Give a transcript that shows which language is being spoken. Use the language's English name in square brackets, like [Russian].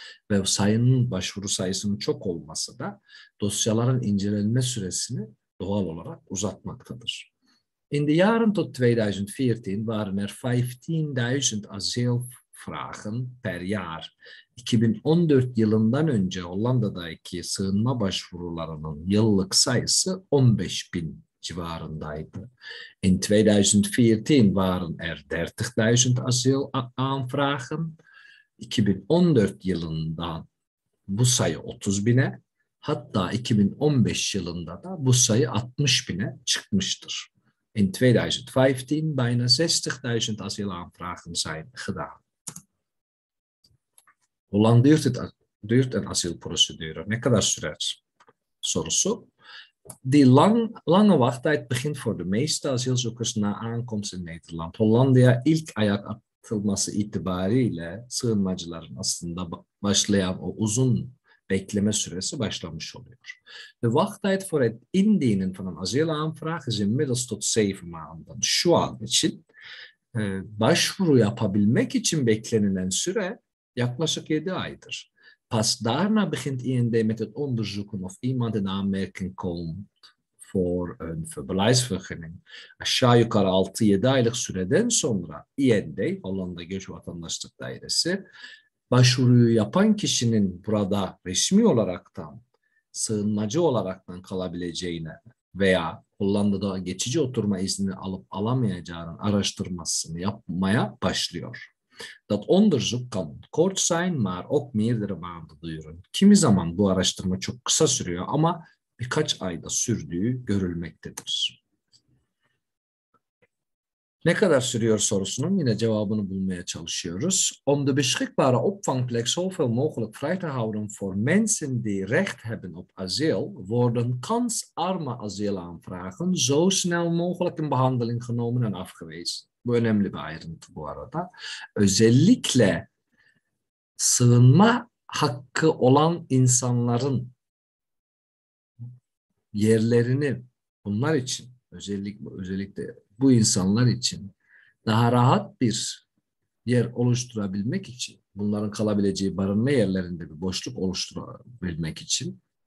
[Turkish] Ve başvuru sayısının çok olması da dosyaların incelenme süresini doğal olarak uzatmaktadır. [Dutch] In de jaren tot 2014 waren er 15.000 asielvragen per jaar. [Turkish] 2014 yılından önce Hollanda'daki sığınma başvurularının yıllık sayısı 15.000 civarındaydı. [Dutch] In 2014 waren er 30.000 asiel aanvragen. [Turkish] 2014 yılından bu sayı 30 bine, hatta 2015 yılında da bu sayı 60 bine çıkmıştır. [Dutch] In 2015 bijna 60.000 asielaanvragen zijn gedaan. Hoe lang duurt een asielprocedure? [Turkish] Ne kadar sürer? Sorusu. [Dutch] Die lange wachttijd begint voor de meeste asielzoekers na aankomst in Nederland. [Turkish] Hollanda'ya ilk ayak atılması itibariyle sığınmacıların aslında başlayan o uzun bekleme süresi başlamış oluyor. [Dutch] The wachttijd voor het indienen van een asielaanvraag is inmiddels tot 7 maanden. [Turkish] Şu an için başvuru yapabilmek için beklenilen süre yaklaşık 7 aydır. [Dutch] Pas daarna begint IND met het onderzoeken of iemand in aanmerking komt voor een verblijfsvergunning. [Turkish] Aşağı yukarı 6-7 aylık süreden sonra IND, Hollanda Göç Vatandaşlık Dairesi, başvuruyu yapan kişinin burada resmi olaraktan sığınmacı olaraktan kalabileceğine veya Hollanda'da geçici oturma iznini alıp alamayacağının araştırmasını yapmaya başlıyor. [Dutch] Dat onderzoek kan kort zijn, maar ook meerdere maanden duren. [Turkish] Kimi zaman bu araştırma çok kısa sürüyor ama birkaç ayda sürdüğü görülmektedir. Ne kadar sürüyor sorusunun yine cevabını bulmaya çalışıyoruz. [Dutch] Om de beschikbare opvangplek zoveel mogelijk vrij te houden voor mensen die recht hebben op asiel, worden kansarme asielaanvragen zo snel mogelijk in behandeling genomen en afgewezen. [Turkish] Bu önemli bir ayrıntı bu arada. Özellikle sığınma hakkı olan insanların yerlerini bunlar için özellikle bu insanlar için daha rahat bir yer oluşturabilmek için, bunların kalabileceği barınma yerlerinde bir boşluk oluşturabilmek için